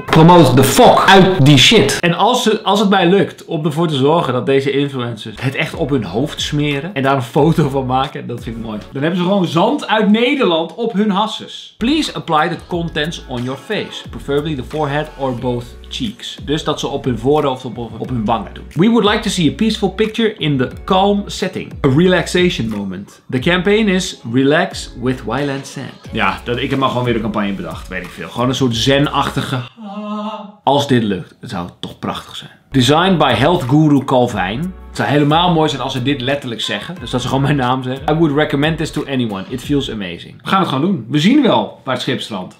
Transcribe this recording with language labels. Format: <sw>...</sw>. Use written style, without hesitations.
<en>Promote the fuck</en> <nl>uit die shit. En als het mij lukt om ervoor te zorgen dat deze influencers het echt op hun hoofd smeren en daar een foto van maken, dat vind ik mooi. Dan hebben ze gewoon zand uit Nederland op hun hasses.</nl> <en>Please apply the contents on your face. Preferably the forehead or both cheeks.</en> <nl>Dus dat ze op hun voorhoofd of op hun wangen doen.</nl> <en>We would like to see a peaceful picture in the calm setting. A relaxation moment. The campaign is relax with Wyland Sand.</en> <nl>Ja, ik heb maar gewoon weer een campagne bedacht. Weet ik veel. Gewoon een soort zen-achtige. Als dit lukt, het zou toch prachtig zijn.</nl> <en>Designed by health guru Calvijn.</en> <nl>Het zou helemaal mooi zijn als ze dit letterlijk zeggen. Dus dat ze gewoon mijn naam zeggen.</nl> <en>I would recommend this to anyone. It feels amazing.</en> <nl>We gaan het gewoon doen. We zien wel waar het schip strandt.</nl>